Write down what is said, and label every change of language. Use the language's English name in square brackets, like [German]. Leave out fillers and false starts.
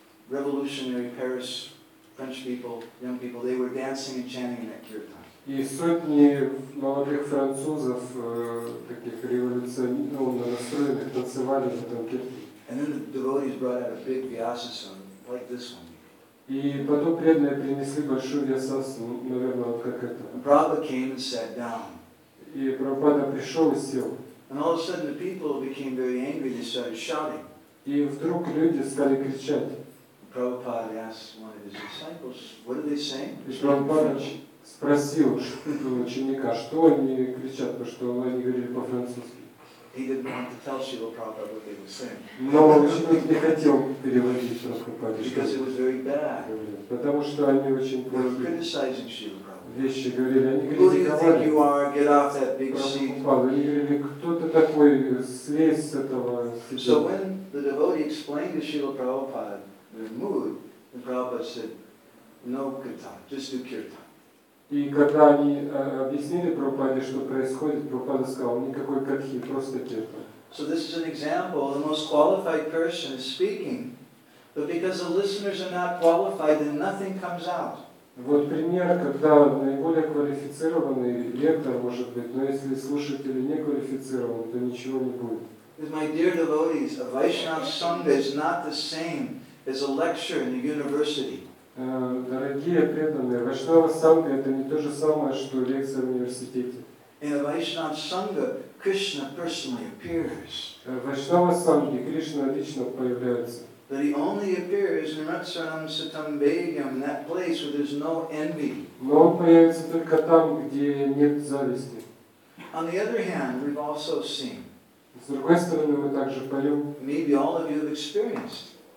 [English] Revolutionary Paris French people, young people, they were dancing and chanting in that kirtan. [Russian] И сотни молодых французов, таких революционно настроенных, танцевали в этом киртане. [English] And then the devotees brought out a big vyasasana, like this one. [Russian] И потом преданные принесли большую вьясасану, наверное, вот как это. [English] Prabhupada came and sat down. [Russian] И Прабхупада пришел и сел. [English] And all of a sudden the people became very angry, they started shouting. [Russian] И вдруг люди стали кричать. [English] Prabhupada asked one of his disciples, what are they saying? [Russian] И Прабхупада спросил ученика, что они кричат, потому что они говорили по-французски. [English] He didn't want to tell Srila Prabhupada what they were saying. [Russian] Но ученик не хотел переводить Прабхупаде. [English] Because it was very bad. [Russian] Потому что они очень плохо. [English] They were criticizing Srila Prabhupada. [Russian] Вещи говорили, они критиковали. Прабхупада, они говорили, кто ты такой, слезь с этого сидела. [English] So when the devotee explained to Srila Prabhupada, mood, the Prabhupada said, no kirtan, just do kirtan. [Russian] И когда они объяснили Прабхупаде, что происходит, Прабхупада сказал, никакой катхи, просто киртан. [English] So this is an example, the most qualified person is speaking, but because the listeners are not qualified, then nothing comes out. [Russian] Вот пример, когда наиболее квалифицированный лектор может быть, но если слушатели не квалифицированы, то ничего не будет. [English] With my dear devotees, a Vaishnav Sangha is not the same is a lecture in a university. [Russian] Дорогие преданные, Вайшнава Санга это не то же самое, что лекция в университете. [English] In a Vaishnava Sangha, Krishna personally appears. [Russian] Вайшнава Санги Кришна лично появляется. [English] But he only appears in Ratsaram Satam Begam, that place where there's no envy. [Russian] Но он появится только там, где нет зависти. [English] On the other hand, we've also seen. [Russian] С другой стороны, мы также поем. [English] Maybe all of you have experienced.